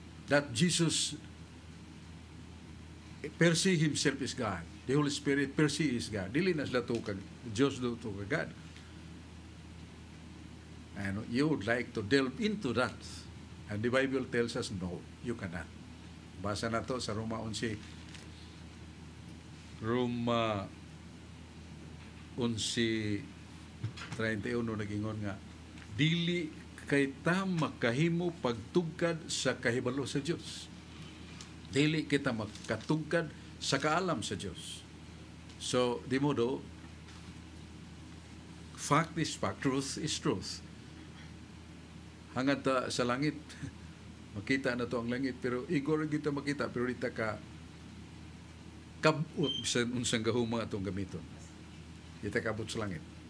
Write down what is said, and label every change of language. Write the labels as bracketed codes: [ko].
[en] That Jesus per se himself is God. [ceb] The Holy Spirit per se is God. Dili na sila to kag Diyos do to kag God. [en] And you would like to delve into that. And the Bible tells us, no, you cannot. [ceb] Basa na to sa Roma 11. Roma 11:31 nagingon nga, dili kay ta makahimo pagtugkad sa kahibalo sa Dios. Dili kita makatugkad sa kaalam sa Dios. [en] So, di modo, fact is fact, truth is truth. [ceb] Hangad ta sa langit, makita na to ang langit, pero igor kita makita, pero dita ka kabut sa unsang gahuma atong gamiton. Dita kabut sa langit.